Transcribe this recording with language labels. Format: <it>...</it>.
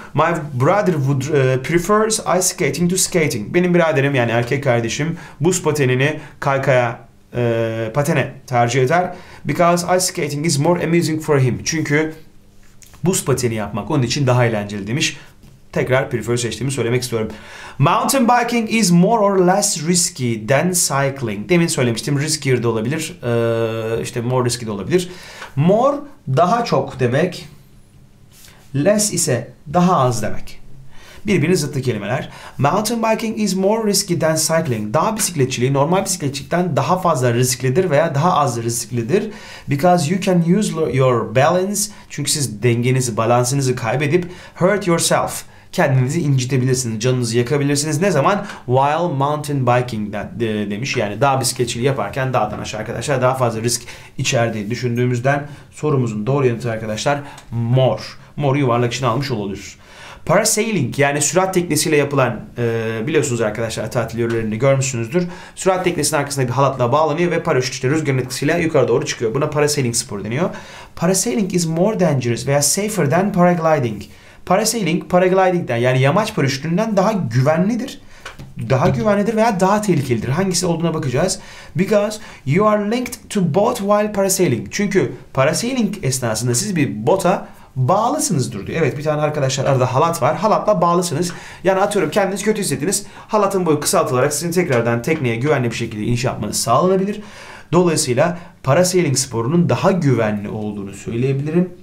<en>My brother would prefers ice skating to skating.</en> <tr>Benim biraderim, yani erkek kardeşim, buz patenini kaykaya patene tercih eder.</tr> <en>Because ice skating is more amusing for him.</en> <tr>Çünkü buz pateni yapmak onun için daha eğlenceli demiş. Tekrar prefer seçtiğimi söylemek istiyorum.</tr> <en>Mountain biking is more or less risky than cycling.</en> <tr>Demin söylemiştim, riskier de olabilir. İşte</tr> <en>more risky</en> <tr>de olabilir. More daha çok demek. Less ise daha az demek. Birbirine zıttı kelimeler.</tr> <en>Mountain biking is more risky than cycling.</en> <tr>Dağ bisikletçiliği normal bisikletçilikten daha fazla risklidir veya daha az risklidir.</tr> <en>Because you can lose your balance.</en> <tr>Çünkü siz dengenizi, balansınızı kaybedip</tr> <en>hurt yourself.</en> <tr>Kendinizi incitebilirsiniz, canınızı yakabilirsiniz. Ne zaman?</tr> <en>While mountain biking</en> <tr>demiş. Yani dağ bisikletçiliği yaparken dağdan aşağı arkadaşlar daha fazla risk içerdiğini düşündüğümüzden sorumuzun doğru yanıtı arkadaşlar more. More'u yuvarlak içine almış oluruz. Parasailing, yani sürat teknesiyle yapılan, biliyorsunuz arkadaşlar tatil yörelerini görmüşsünüzdür. Sürat teknesinin arkasında bir halatla bağlanıyor ve paraşüt işte rüzgarın etkisiyle yukarı doğru çıkıyor. Buna parasailing sporu deniyor.</tr> <en>Parasailing is more dangerous veya safer than paragliding.</en> <tr>Parasailing, paragliding'den yani yamaç paraşütünden daha güvenlidir. Daha güvenlidir veya daha tehlikelidir. Hangisi olduğuna bakacağız.</tr> <en>Because you are linked to boat while parasailing.</en> <tr>Çünkü parasailing esnasında siz bir bota bağlısınızdır diyor. Evet, bir tane arkadaşlar arada halat var. Halatla bağlısınız. Yani atıyorum kendiniz kötü hissettiniz. Halatın boyu kısaltılarak sizin tekrardan tekneye güvenli bir şekilde iniş yapmanız sağlanabilir. Dolayısıyla parasailing sporunun daha güvenli olduğunu söyleyebilirim.</tr>